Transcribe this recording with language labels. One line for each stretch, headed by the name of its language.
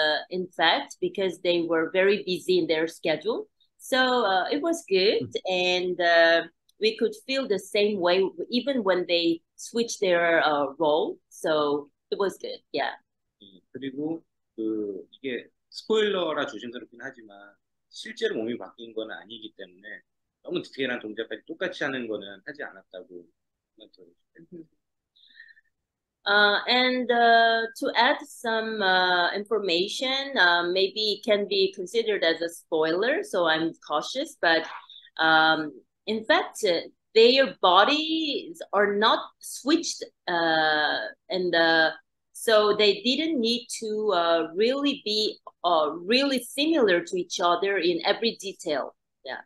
English: In fact, because they were very busy in their schedule, so it was good, mm-hmm. and we could feel the same way even when they switched their role. So it was good, yeah.
Korean: 그리고 그 이게 스포일러라 조심스럽긴 하지만 실제로 몸이 바뀐 건 아니기 때문에 너무 디테일한 동작까지 똑같이 하는 거는 하지 않았다고.
English: To add some information, maybe it can be considered as a spoiler, so I'm cautious, but in fact, their bodies are not switched, so they didn't need to really be really similar to each other in every detail. Yeah.